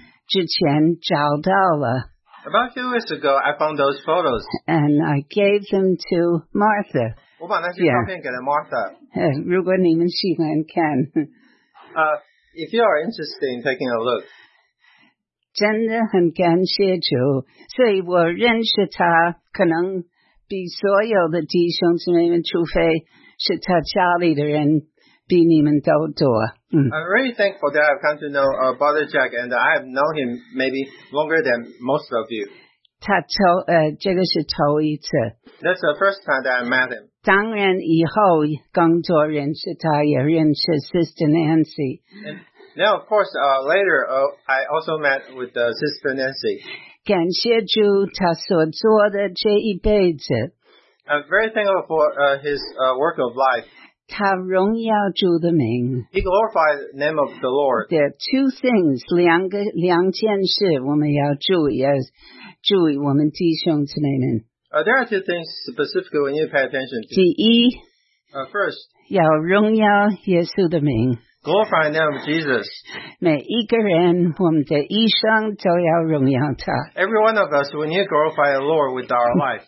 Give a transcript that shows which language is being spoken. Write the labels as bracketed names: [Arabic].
[English] About a few weeks ago, I found those photos. And I gave them to Martha. [Chinese] 我把那些照片给了Martha. 如果你们喜欢看。 [English] If you are interested in taking a look. [Chinese] 真的很感谢主，所以我认识他，可能比所有的弟兄姊妹们，除非是他家里的人。 [English] I'm really thankful that I've come to know Brother Jack, and I have known him maybe longer than most of you. That's the first time that I met him. [Chinese] 当然以后工作认识他，也认识 Sister Nancy. [English] Now, of course, later I also met with Sister Nancy. [Chinese] 感谢主他所做的这一辈子. [English] I'm very thankful for his work of life. [Chinese] 他荣耀主的名, [English] he glorified the name of the Lord. There are two things, [Chinese] 两件事我们要注意，要注意我们弟兄姊妹们。 [English] There are two things specifically we need to pay attention to. [Chinese] 第一, [English] first, [Chinese] 要荣耀耶稣的名。 [English] Glorify the name of Jesus. [Chinese] 每一个人,我们的一生都要荣耀他。 [English] Every one of us, we need to glorify the Lord with our life.